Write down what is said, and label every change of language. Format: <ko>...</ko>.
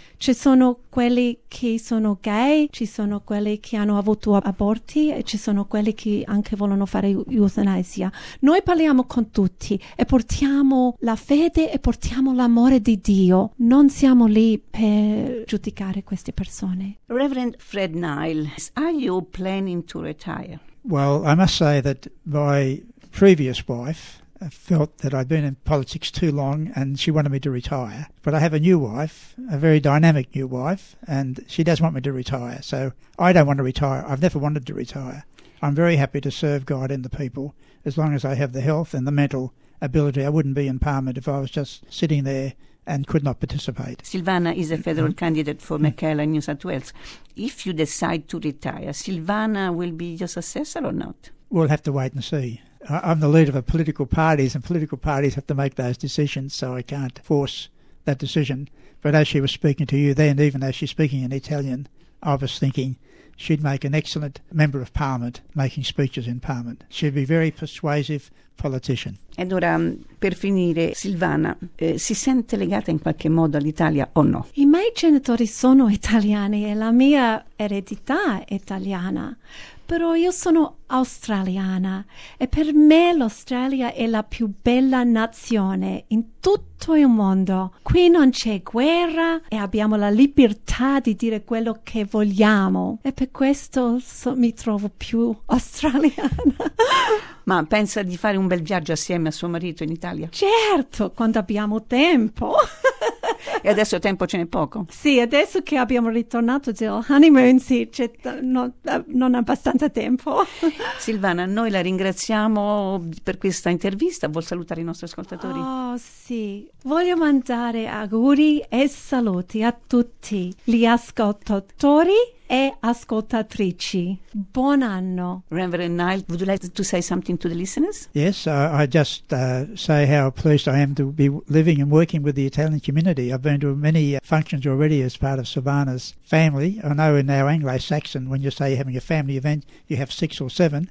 <it>Ci sono quelli che sono gay, ci sono quelli che hanno avuto aborti e ci sono quelli che anche vogliono fare eutanasia. Noi parliamo con tutti e portiamo la fede e portiamo l'amore di Dio. Non siamo lì per giudicare queste persone.</it> <en>Reverend Fred Nile, are you planning to retire? Well, I must say that my previous wife felt that I'd been in politics too long and she wanted me to retire. But I have a new wife, a very dynamic new wife, and she does want me to retire. So I don't want to retire. I've never wanted to retire. I'm very happy to serve God and the people. As long as I have the health and the mental ability, I wouldn't be in Parliament if I was just sitting there and could not participate. Silvana is a federal candidate for Mackellar in New South Wales. If you decide to retire, Silvana will be your successor or not? We'll have to wait and see. I'm the leader of a political party, and political parties have to make those decisions, so I can't force that decision. But as she was speaking to you then, even as she's speaking in Italian, I was thinking she'd make an excellent member of Parliament making speeches in Parliament. She'd be a very persuasive politician.</en> <it>Ed ora, per finire, Silvana, si sente legata in qualche modo all'Italia o no? I miei genitori sono italiani e la mia eredità è italiana. Però io sono australiana e per me l'Australia è la più bella nazione in tutto il mondo. Qui non c'è guerra e abbiamo la libertà di dire quello che vogliamo. E per questo mi trovo più australiana. Ma pensa di fare un bel viaggio assieme a suo marito in Italia? Certo, quando abbiamo tempo. E adesso tempo ce n'è poco. Sì, adesso che abbiamo ritornato dal honeymoon, sì, non abbastanza tempo. Silvana, noi la ringraziamo per questa intervista. Vuol salutare i nostri ascoltatori? Oh, sì. Voglio mandare auguri e saluti a tutti gli ascoltatori e ascoltatrici. Buon anno.</it> <en>Reverend Nile, would you like to say something to the listeners? Yes, I just say how pleased I am to be living and working with the Italian community. I've been to many functions already as part of Savannah's family. I know in our Anglo-Saxon, when you say you're having a family event, you have 6 or 7.</en>